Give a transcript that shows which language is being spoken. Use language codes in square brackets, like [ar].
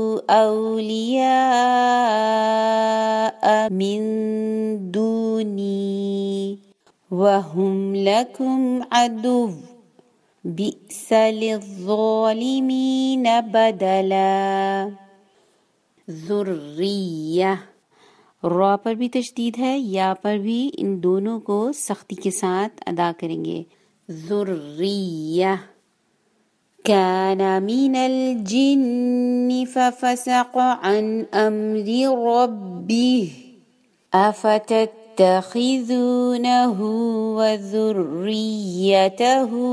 [ar] أولياء من دوني وهم لكم عدو بئس للظالمين بدلا. [ur] ذرية را پر بھی تشدید ہے یا پر بھی ان دونوں کو سختی کے ساتھ ادا کریں گے. [ar] ذرية كان من الجن ففسق عن أمر ربه أفتتخذونه وذريته